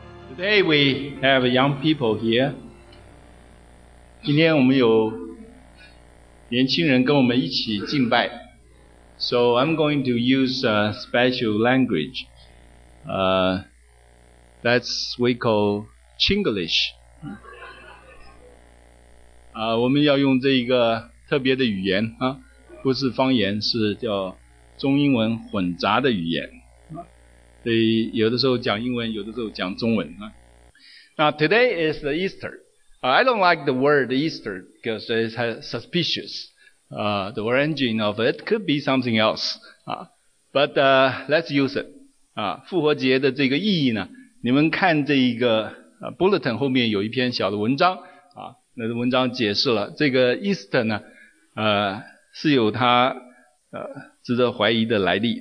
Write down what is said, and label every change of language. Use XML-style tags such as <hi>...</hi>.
<en>Today we have young people here.</en> <zh>今天我们有年轻人跟我们一起敬拜。</zh> <en>So I'm going to use a special language. That's we call Chinglish.</en> <zh>我们要用这一个特别的语言啊，不是方言，是叫中英文混杂的语言。所以有的时候讲英文，有的时候讲中文。</zh> <en>Now today is the Easter. I don't like the word Easter because it's suspicious. The origin of it could be something else. But let's use it.</en> <zh>复活节的这个意义呢，你们看这一个bulletin 后面有一篇小的文章啊，那个文章解释了这个 Easter 呢，是有它值得怀疑的来历。</zh>